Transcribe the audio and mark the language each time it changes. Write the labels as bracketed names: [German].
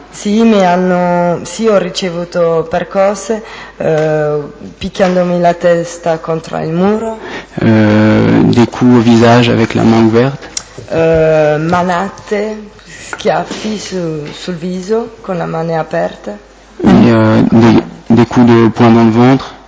[Italian] Sì, mi hanno. Sì, ho ricevuto percosse picchiandomi la testa contro il muro. [French] Des coups au visage avec la main ouverte. [Italian] Manate, schiaffi sul viso con la mano aperta. [French] Des coups de poing dans le ventre.